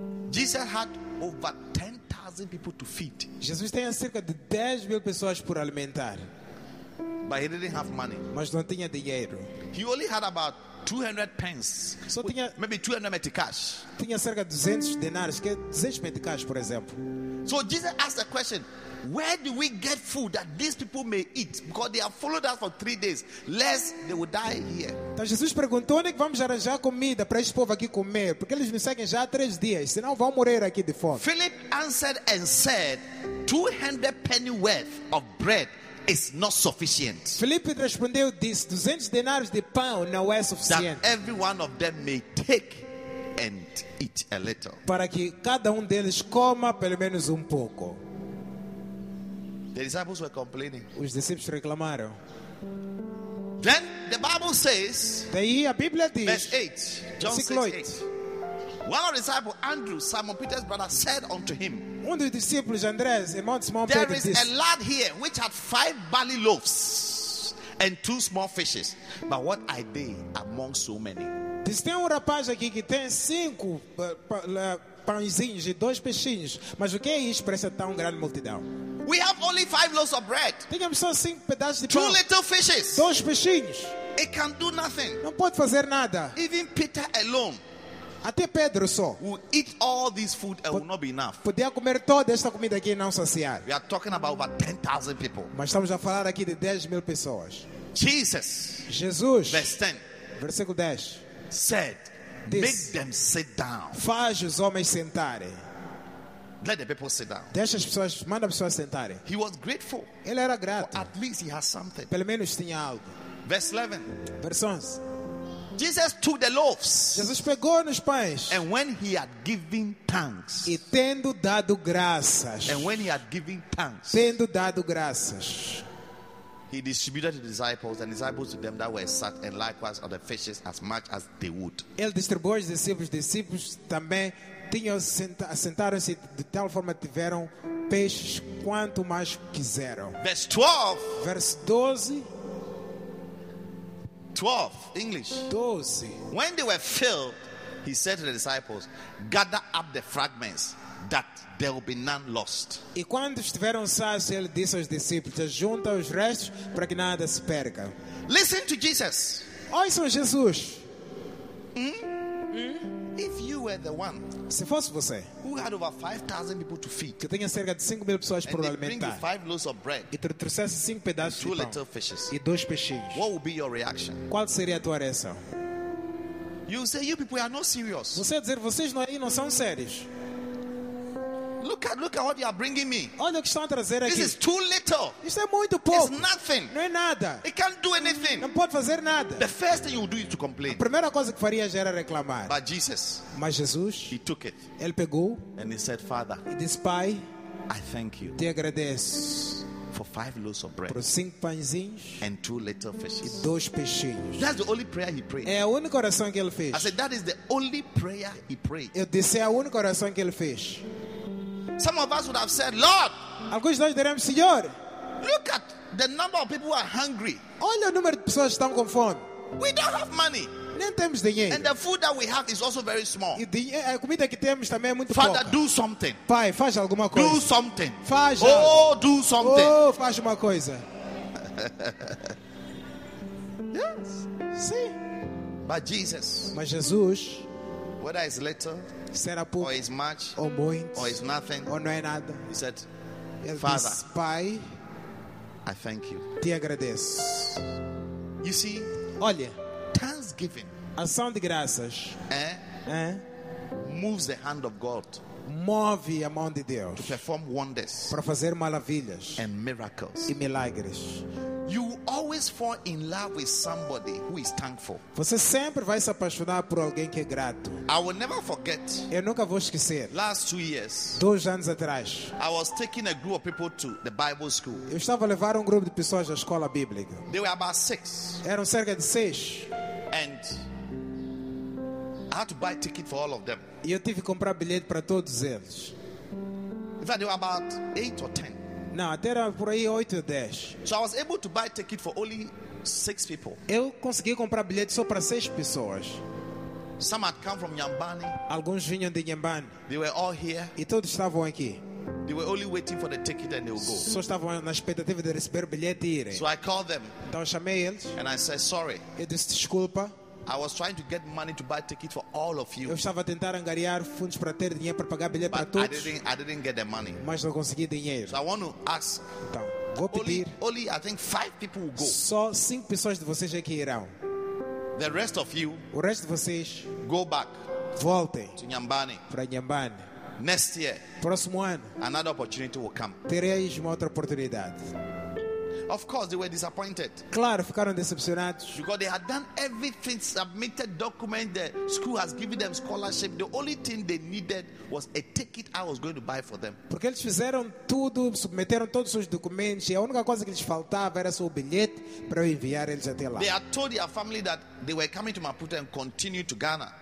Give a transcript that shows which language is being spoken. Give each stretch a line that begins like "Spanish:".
English: Jesus had over 10,000 people to feed.
Portuguese: Jesus tinha cerca de 10 mil pessoas por alimentar.
English: But he didn't have money.
Portuguese: Mas não tinha dinheiro.
English: He only had about 200 pence.
Portuguese: Só tinha,
English: maybe 200 meticais.
Portuguese: Tinha cerca de 200 denários, que é 200 meticais, por exemplo.
English: So Jesus asked a question. Where do we get food that these people may eat? Because they have followed us for 3 days, lest they will die here.
Portuguese: Então Jesus perguntou, onde é que vamos arranjar comida para este povo aqui comer? Porque eles nos seguem já há 3 dias, senão vão morrer aqui de fome.
English: Philip answered and said, 200 penny worth of bread is not sufficient.
Portuguese: Felipe respondeu, disse, 200 denários de pão não é suficiente.
English: That every one of them may take and eat a little.
Portuguese: Para que cada deles coma pelo menos pouco.
English: The disciples were complaining.
Portuguese: Os discípulos reclamaram.
English: Then the Bible says,
Portuguese: daí a Bíblia diz,
English: verse 8, John 6:8. One of the disciples, Andrew, Simon Peter's brother, said unto him,
Portuguese: dos discípulos, Andrés, irmão de Simão Pedro,
English: there is a lad here which had 5 barley loaves and 2 small fishes, but what are they among so many?
Portuguese: Diz, tem rapaz aqui que tem 5 pãezinhos e 2 peixinhos, mas o que é isso para essa tão grande multidão?
English: We have only 5 loaves of bread.
Portuguese: Tenhamos só 5 pedaços de pão.
English: 2 little fishes.
Portuguese: 2 peixinhos.
English: It can do nothing.
Portuguese: Não pode fazer nada.
English: Even Peter alone.
Portuguese: Até Pedro só.
English: Will eat all this food and will not be enough.
Portuguese: Poderia comer toda esta comida aqui e não saciar.
English: We are talking about over 10,000 people.
Portuguese: Mas estamos a falar aqui de 10 mil pessoas.
English: Jesus.
Portuguese: Jesus.
English: Verse 10.
Portuguese: Versículo 10.
English: Said, this, make them sit down.
Portuguese: Faz os homens sentarem.
English: Let the people sit down.
Portuguese: Deixa as pessoas, manda as pessoas sentarem.
English: He was grateful.
Portuguese: Ele era grato.
English: At least he has something.
Portuguese: Pelo menos tinha algo.
English: Verse 11. Verse 11. Jesus took the loaves.
Portuguese: Jesus pegou nos pães.
English: And when he had given thanks.
Portuguese: E tendo dado graças.
English: And when he had given thanks.
Portuguese: Tendo dado graças.
English: He distributed to the disciples and disciples to them that were sat, and likewise of the fishes as much as they would.
Portuguese: Ele distribuiu aos discípulos, discípulos também tinham sentaram-se de tal forma que tiveram peixes quanto mais quiseram.
English: Verse 12. Verse 12. 12, English. 12. When they were filled, he said to the disciples, gather up the fragments that there will be none lost.
Portuguese: E quando estiveram sós, ele disse aos discípulos, junta os restos para que nada se perca.
English: Listen to Jesus.
Portuguese: Ouçam Jesus.
English: If you were the one,
Portuguese: se fosse você,
English: who had over 5,000 people to feed,
Portuguese: que tenha cerca de 5,000 pessoas para alimentar,
English: and bring you 5 loaves of bread,
Portuguese: e trouxesse 5 pedaços de pão,
English: little fishes,
Portuguese: e 2 peixinhos,
English: what would be your reaction?
Portuguese: Qual seria a tua reação?
English: You say you people are not serious.
Portuguese: Você dizer vocês não aí não são sérios.
English: Look at what you are bringing me.
Portuguese: Olha o que estão a trazer aqui.
English: This is too little.
Portuguese: Isso é muito pouco.
English: It's nothing.
Portuguese: Não é nada.
English: It can't do anything.
Portuguese: Não pode fazer nada.
English: The first thing you will do is to complain.
Portuguese: A primeira coisa que faria já era reclamar.
English: But Jesus.
Portuguese: Mas Jesus.
English: He took it.
Portuguese: Ele pegou.
English: And he said, Father.
Portuguese: E disse, Pai.
English: I thank you.
Portuguese: Te agradeço.
English: For 5 loaves of bread.
Portuguese: Por 5 pãezinhos.
English: And 2 little fishes.
Portuguese: E 2 peixinhos.
English: That's the only prayer he prayed.
Portuguese: É a única oração que ele fez.
English: I said, that is the only prayer he prayed.
Portuguese: Eu disse, é a única oração que ele fez.
English: Some of us would have said, Lord.
Portuguese: Alguns de nós diriam, Senhor.
English: Look at the number of people who are hungry.
Portuguese: Olha o número de pessoas que estão com fome.
English: We don't have money.
Portuguese: Nem temos dinheiro.
English: And the food that we have is also very small.
Portuguese: A comida que temos também é muito
English: Father,
Portuguese: pouca.
English: Father, do something.
Portuguese: Pai, faz alguma coisa.
English: Do something.
Portuguese: Faz.
English: Oh, do something.
Portuguese: Oh, faz uma coisa.
English: Yes.
Portuguese: Sim.
English: But Jesus.
Portuguese: Mas Jesus.
English: Whether it's little.
Portuguese: Será pouco,
English: or is much,
Portuguese: ou muito,
English: or is nothing,
Portuguese: ou não é nada.
English: He said,
Portuguese: ele
English: Father,
Portuguese: disse, Pai,
English: I thank you.
Portuguese: Te agradeço.
English: You see,
Portuguese: olha,
English: thanksgiving,
Portuguese: ação de graças,
English: moves the hand of God,
Portuguese: move a mão de Deus,
English: to perform wonders,
Portuguese: para fazer maravilhas,
English: and miracles,
Portuguese: e milagres.
English: You always fall in love with somebody who is thankful.
Portuguese: Você sempre vai se apaixonar por alguém que é grato.
English: I will never forget.
Portuguese: Eu nunca vou esquecer.
English: Last 2 years.
Portuguese: 2 anos atrás.
English: I was taking a group of people to the Bible school.
Portuguese: Eu estava a levar grupo de pessoas à escola bíblica.
English: They were about 6.
Portuguese: Eram cerca de 6.
English: And I had to buy ticket for all of them.
Portuguese: E eu tive que comprar bilhete para todos eles.
English: In fact, they were about 8 or 10.
Portuguese: Não, até era por aí 8 ou 10.
English: So I was able to buy ticket for only 6 people.
Portuguese: Eu consegui comprar bilhete só para 6 pessoas.
English: Some had come from Nyambani.
Portuguese: Alguns vinham de Nyambani.
English: They were all here.
Portuguese: E todos estavam aqui.
English: They were only waiting for the ticket and they'll go.
Portuguese: Só estavam na expectativa de receber o bilhete e irem.
English: So I called them.
Portuguese: Então eu chamei eles.
English: And I said sorry.
Portuguese: Eu disse desculpa.
English: I was trying to get money to buy ticket for all of you.
Portuguese: Eu estava a tentar angariar fundos para ter dinheiro para pagar bilhete para todos.
English: I didn't get the money.
Portuguese: Mas não consegui dinheiro.
English: So I want to ask.
Portuguese: Então, vou pedir.
English: Only I think 5 people will go.
Portuguese: Só 5 pessoas de vocês é que irão.
English: The rest of you.
Portuguese: O resto de vocês.
English: Go back.
Portuguese: Voltem.
English: To Nyambani.
Portuguese: Para Nyambani.
English: Next year.
Portuguese: Próximo ano.
English: Another opportunity will come.
Portuguese: Tereis uma outra oportunidade.
English: Of course, they were disappointed.
Portuguese: Claro, ficaram decepcionados.
English: Because they had done everything, submitted documents, the school has given them scholarship. The only thing they needed was a ticket I was going to buy for them.
Portuguese: Porque eles fizeram tudo, submeteram todos os documentos, e a única coisa que lhes faltava era seu bilhete para eu enviar eles até lá.
English: They had told their family that they were coming to Maputo and continue to Ghana.